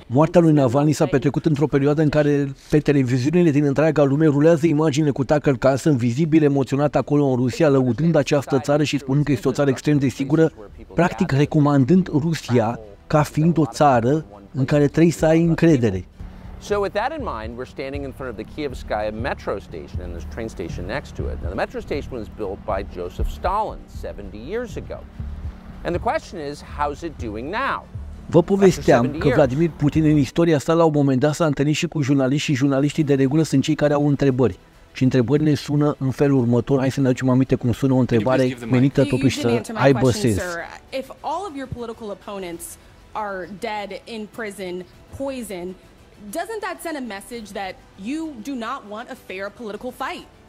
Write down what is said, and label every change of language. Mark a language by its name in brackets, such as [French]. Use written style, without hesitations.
[Romanian] Moartea lui Navalny s-a petrecut într-o perioadă în care pe televiziunile din întreaga lume rulează imaginile cu Tucker Carlson, vizibil emoționat acolo în Rusia, lăudând această țară și spunând că este o țară extrem de sigură, practic recomandând Rusia ca fiind o țară în care trebuie să ai încredere. [English] So with that in mind, we're standing in front of the Kievskaya metro station and there's a train station next to it. Now the metro station was built by Joseph Stalin 70 years ago. And the question is, how's it doing now? [Romanian] Vă povesteam că Vladimir Putin în istoria sa la un moment dat s-a întâlnit și cu jurnaliști și jurnaliștii de regulă sunt cei care au întrebări. Și întrebările sună în felul următor, hai să ne aducem aminte cum sună o întrebare menită totuși să aibă sens. [English] If all of your political opponents are dead in prison, poison, doesn't that send a message that you do not want a fair political fight?